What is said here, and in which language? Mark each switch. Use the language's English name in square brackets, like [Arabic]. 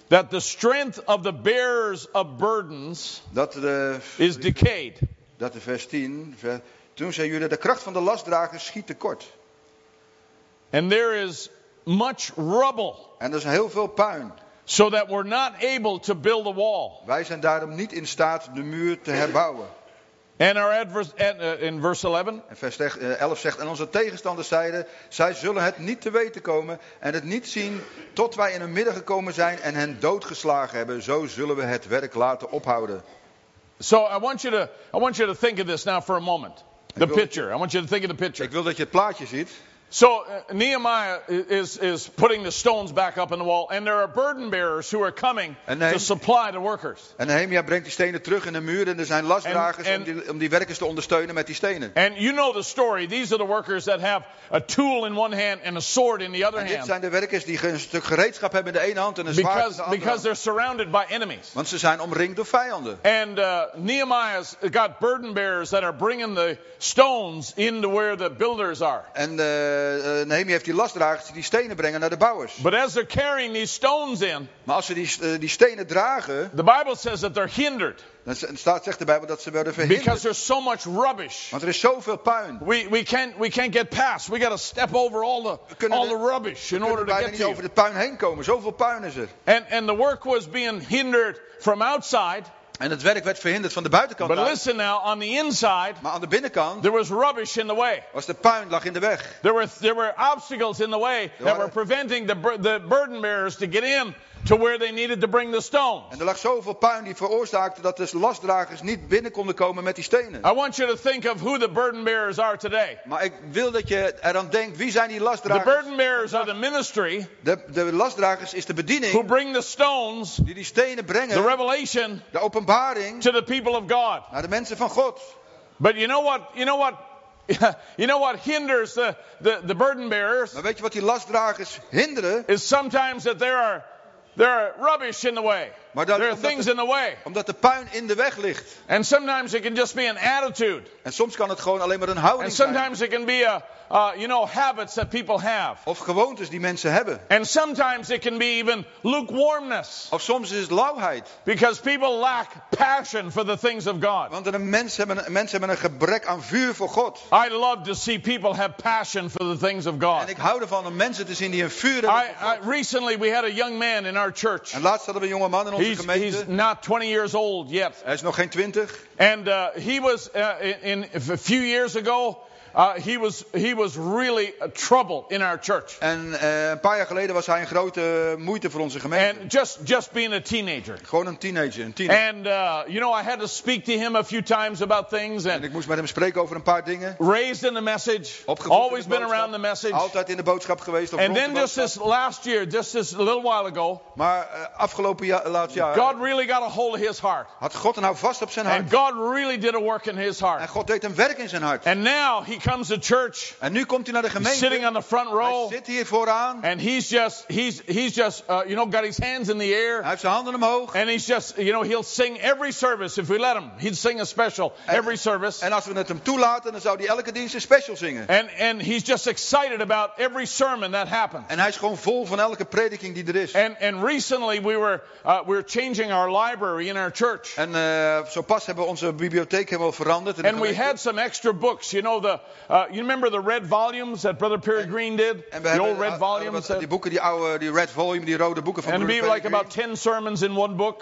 [English] that the strength of the bearers of burdens is decayed. [Dutch] Dat de vers 10, toen zei jullie, de kracht van de lastdragers schiet tekort. And there is much rubble. En er is heel veel puin. So that we're not able to build a wall. Wij zijn daarom niet in staat de muur te herbouwen. And our in verse 11. En vers 11 zegt: en onze tegenstanders zeiden: zij zullen het niet te weten komen en het niet zien tot wij in hun midden gekomen zijn en hen doodgeslagen hebben. Zo zullen we het werk laten ophouden. [English] So I want you to think of this now for a moment. The picture. I want you to think of the picture. [Dutch] Ik wil dat je het plaatje ziet. [English] So Nehemiah is putting the stones back up in the wall, and there are burden bearers who are coming to supply the workers. [Dutch] En Nehemiah brengt die stenen terug in de muur, en er zijn lastdragers om die werkers te ondersteunen met die stenen. [English] And you know the story. These are the workers that have a tool in one hand and a sword in the other hand. [Dutch] En dit zijn de werkers die een stuk gereedschap hebben in de ene hand en een zwaard in de andere. [English] Because they're surrounded by enemies. [Dutch] Want ze zijn omringd door vijanden. [English] And Nehemiah's got burden bearers that are bringing the stones into where the builders are. [Dutch] Nehemia heeft die lastdragers die stenen brengen naar de bouwers. [English] But as they're carrying these stones in, [Dutch] maar als ze die stenen dragen, [English] the Bible says that they're hindered. [Dutch] Dan staat zegt de Bijbel dat ze werden verhinderd. [English] Because there's so much rubbish. Want er is zoveel puin. We can't get past. We got to step over all the rubbish in order to get to you. [Dutch] We kunnen bijna niet over de puin heen komen. Zoveel puin is er. [English] And the work was being hindered from outside. [Dutch] En het werk werd verhinderd van de buitenkant. [English] But listen now, on the inside, [Dutch] maar aan de binnenkant, [English] there was rubbish in the way. [Dutch] Was de puin lag in de weg. [English] There were obstacles in the way that were preventing the burden bearers to get in to where they needed to bring the stones. [Dutch] En er lag zoveel puin die veroorzaakte dat de lastdragers niet binnen konden komen met die stenen. [English] I want you to think of who the burden bearers are today. [Dutch] Maar ik wil dat je eraan denkt, wie zijn die lastdragers? [English] The burden bearers are the ministry. [Dutch] De lastdragers is de bediening. [English] Who bring the stones? [Dutch] Die stenen brengen. [English] The revelation. [Dutch] De openbaring. [English] To the people of God. [Dutch] Naar de mensen van God. [English] But you know what? You know what? You know what hinders the burden bearers? [Dutch] Maar weet je wat die lastdragers hinderen? [English] Is sometimes that there are rubbish in the way. There are things in the way. [Dutch] Omdat de puin in de weg ligt. [English] And sometimes it can just be an attitude. [Dutch] En soms kan het gewoon alleen maar een houding zijn. [English] And sometimes it can be habits that people have. [Dutch] Of gewoontes die mensen hebben. [English] And sometimes it can be even lukewarmness. [Dutch] Of soms is lauwheid. [English] Because people lack passion for the things of God. [Dutch] Want mensen hebben een gebrek aan vuur voor God. [English] I love to see people have passion for the things of God. [Dutch] En ik hou ervan om mensen te zien die een vuur hebben. [English] Recently we had a young man in our church. [Dutch] En laatst hadden we een jonge man in onze gemeente. [English] He's not 20 years old yet. [Dutch] Hij is nog geen 20. [English] And he was in a few years ago. He was really a trouble in our church. [Dutch] En een paar jaar geleden was hij een grote moeite voor onze gemeente. [English] And just being a teenager. [Dutch] Gewoon een teenager. [English] And I had to speak to him a few times about things. [Dutch] En ik moest met hem spreken over een paar dingen. [English] Raised in the message. [Dutch] Opgevoed [English] always been around the message. [Dutch] Altijd in de boodschap geweest. [English] And then just this last year, just this little while ago. [Dutch] Maar afgelopen laatst jaar. [English] God really got a hold of his heart. [Dutch] Had God nou vast op zijn hart. [English] And God really did a work in his heart. [Dutch] En God deed een werk in zijn hart. [English] And now he comes to church. [Dutch] En nu komt hij naar de gemeente. [English] He's sitting on the front row. [Dutch] Hij zit hier vooraan. [English] And he's just got his hands in the air. [Dutch] Hij heeft zijn handen omhoog. [English] And he's just, he'll sing every service if we let him. He'd sing a special every service. [Dutch] En als we het hem toelaten, dan zou hij elke dienst een special zingen. [English] And he's just excited about every sermon that happens. [Dutch] En hij is gewoon vol van elke prediking die er is. [English] And recently we were changing our library in our church. [Dutch] En zo pas hebben we onze bibliotheek helemaal veranderd. [English] And we had some extra books, you remember the red volumes that Brother Peregrine did? The old red volumes? [Dutch] Die boeken, die oude, die [English] red volume, [Dutch] die rode boeken van Brother Peregrine. [English] Like about 10 sermons in one book.